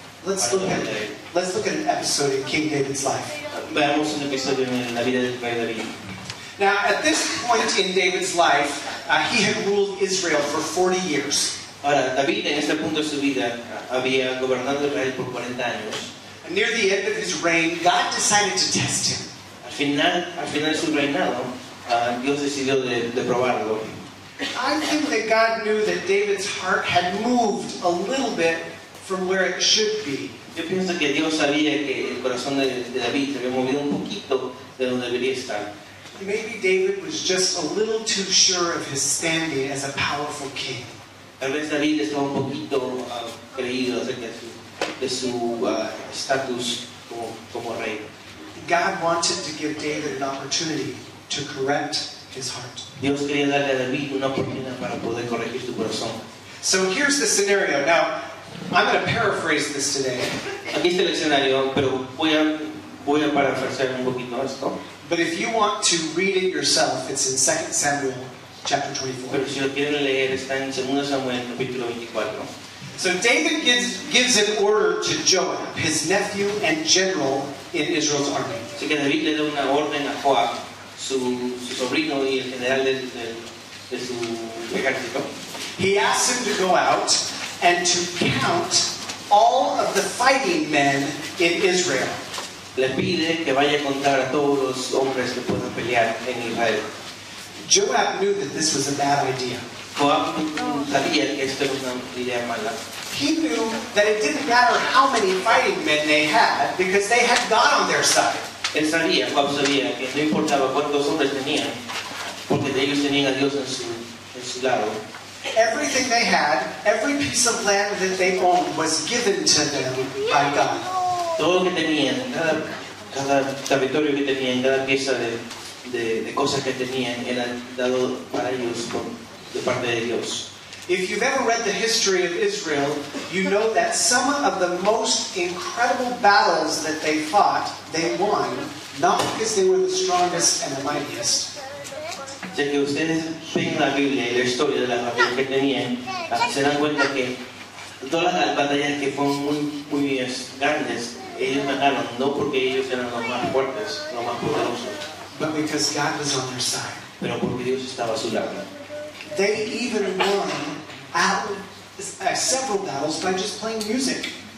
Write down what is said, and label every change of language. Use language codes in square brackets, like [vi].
[en] Let's look at an episode in King David's life. [es] Veamos un episodio en la vida del rey David. [en] Now, at this point in David's life, he had ruled Israel for 40 years. [es] Ahora, David en este punto de su vida había gobernado Israel por 40 años. [en] And near the end of his reign, God decided to test him. [es] Al final de su reinado, Dios decidió de probarlo. [en] I think that God knew that David's heart had moved a little bit from where it should be. [es] Yo pienso que Dios sabía que el corazón de David se había movido un poquito de donde debería estar. [en] Maybe David was just a little too sure of his standing as a powerful king. [es] Tal vez David estaba un poquito creído acerca de su estatus como rey. [en] God wanted to give David an opportunity to correct his heart. [es] Dios quería darle a David una oportunidad para poder corregir su corazón. [en] So here's the scenario. Now, I'm going to paraphrase this today. [es] Aquí está el escenario, pero voy a parafrasear un poquito esto. [en] But if you want to read it yourself, it's in 2 Samuel chapter 24. [es] Pero si lo quieren leer, está en 2 Samuel capítulo 24. [en] So David gives an order to Joab, his nephew and general in Israel's army. [es] Así que David le da una orden a Joab, su sobrino y el general de su ejército. [en] He asks him to go out and to count all of the fighting men in Israel. [es] Le pide que vaya a contar a todos los hombres que puedan pelear en Israel. [en] Joab knew that this was a bad idea. [es] Joab sabía que esto era una idea mala. [en] He knew that it didn't matter how many fighting men they had, because they had God on their side. [es] Él sabía, Joab sabía, que no importaba cuántos hombres tenían, porque ellos tenían a Dios en su lado. [en] Everything they had, every piece of land that they owned, was given to them by God. [es] Todo lo que tenían, cada territorio que tenían, cada pieza de cosas que tenían, era dado para ellos de parte de Dios. [en] If you've ever read the history of Israel, you know that some of the most incredible battles that they fought, they won, not because they were the strongest and the mightiest. [es] hasta que ustedes ven la Biblia y la historia de las batallas que tenían, se dan cuenta que todas las batallas que fueron muy grandes, ellos ganaron, no porque ellos eran los más fuertes, los más poderosos, [en] but because God was on their side. [es] Pero porque Dios estaba a su lado. [en] They even won several battles by just playing music.